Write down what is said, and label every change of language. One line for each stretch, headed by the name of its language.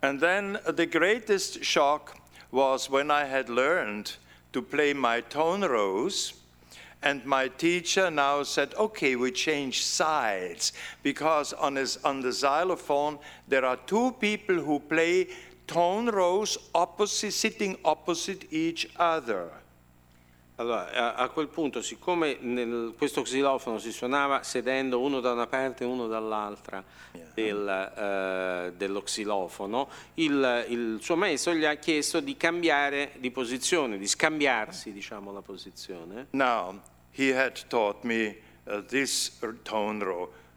English: And then the greatest shock was when I had learned to play my tone rows. And my teacher now said, okay, we change sides, because on the xylophone, there are two people who play tone rows opposite, sitting opposite each other.
Italian: Allora, a quel punto, siccome questo xilofono si suonava sedendo uno da una parte e uno dall'altra dello xilofono, il suo maestro gli ha chiesto di cambiare di posizione, di scambiarsi, diciamo, la posizione.
English: Now, he had taught me this tone row.